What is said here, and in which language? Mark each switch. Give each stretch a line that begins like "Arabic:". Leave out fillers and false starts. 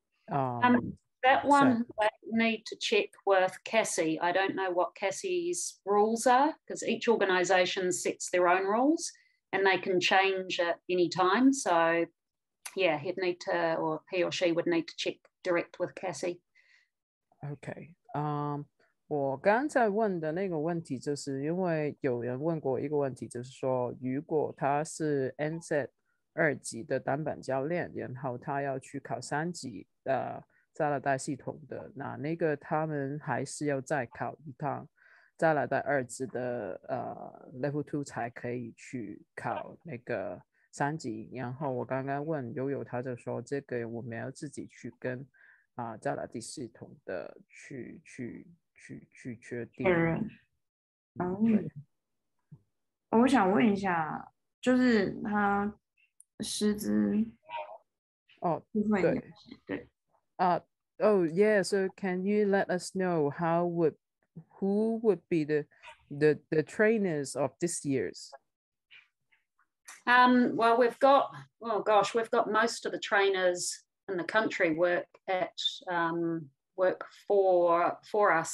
English: I need to check with CASI. I don't know what CASI's rules are because each organization sets their own rules. And they can change at any time. So, yeah, he or she would need to check direct with CASI. Okay.
Chinese: 我刚才问的那个问题，就是因为有人问过一个问题，就是说，如果他是 NZ 二级的单板教练，然后他要去考三级的加拿大系统的，那个他们还是要再考一趟。再来到二级的level 2才可以去考那个三级，然后我刚刚问悠悠，他就说这个我们要自己去跟加拿大系统的去确定。然后我想问一下，就是他师资部分
English: So can you let us know who would be the trainers of this year's? Well, we've got, we've got most of the trainers in the country work for us.